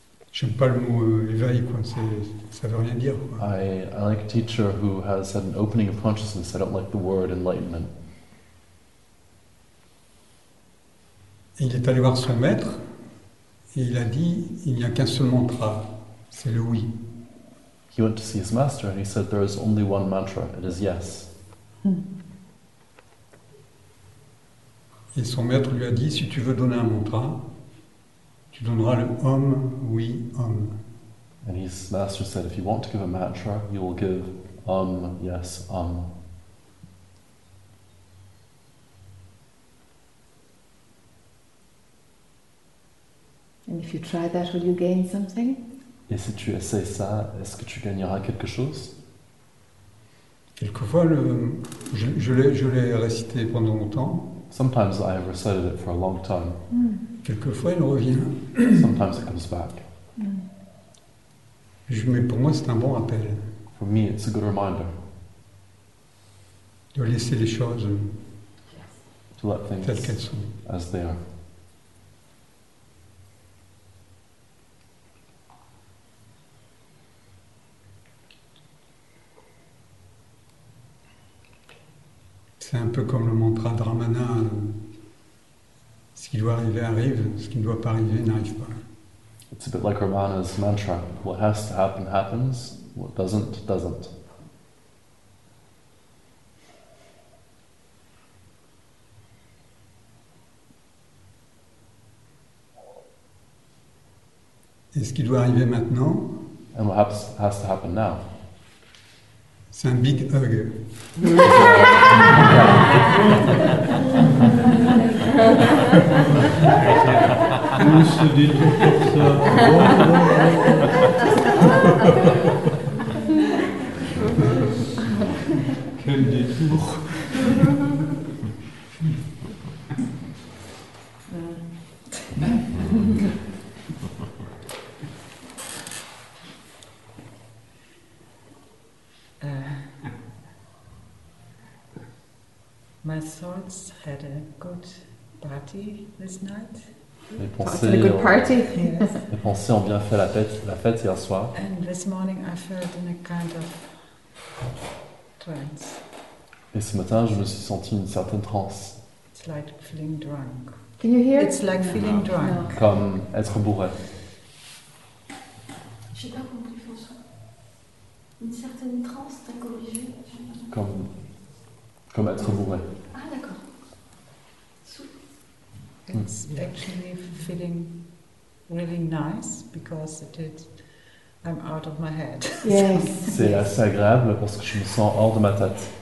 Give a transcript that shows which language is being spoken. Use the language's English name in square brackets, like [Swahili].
[French] J'aime pas le mot éveil, quoi. Ça veut rien dire. Quoi. [English] I like a teacher who has had an opening of consciousness. I don't like the word enlightenment. [French] Il est allé voir son maître et il a dit, il n'y a qu'un seul mantra, c'est le oui. [English] He went to see his master and he said, there is only one mantra, it is yes. [French] Et son maître lui a dit, si tu veux donner un mantra, tu donneras le om, oui, om. [English] And his master said, if you want to give a mantra, you will give om, yes, om. And if you try that, will you gain something? [French] Et si tu essaies ça, est-ce que tu gagneras quelque chose? Quelquefois, je l'ai récité pendant longtemps. [English] Sometimes I have recited it for a long time. Mm. [French] Quelquefois, il revient. [English] Sometimes it comes back. [French] Mais pour moi, c'est un bon rappel. [English] For me, it's a good reminder. [French] De laisser les choses [English] to let things [French] telles qu'elles sont. [English] As they are. [French] C'est un peu comme le mantra de Ramana. Ce qui doit arriver arrive, ce qui ne doit pas arriver n'arrive pas. [English] It's a bit like Ramana's mantra. What has to happen happens, what doesn't, doesn't. [French] Et ce qui doit arriver maintenant? [English] And what has to happen now? [French] C'est un [English] big hug. [French] On se détourne pour ça. Quel détour. [English] My thoughts had a good party this night. [French] Mes pensées, oh, [English] a good party. [French] Mes pensées ont bien fait la fête hier soir. [English] And this morning I felt in a kind of trance. [French] Et ce matin, je me suis senti une certaine transe. [English] It's like feeling drunk. Can you hear? It's like feeling drunk. [French] Comme être bourré. J'ai pas compris, François. Une certaine transe, t'as corrigé? Comme être bourré. Ah, d'accord. [English] It's actually feeling really nice because it is. I'm out of my head. Yes. [French] C'est assez agréable parce que je me sens hors de ma tête.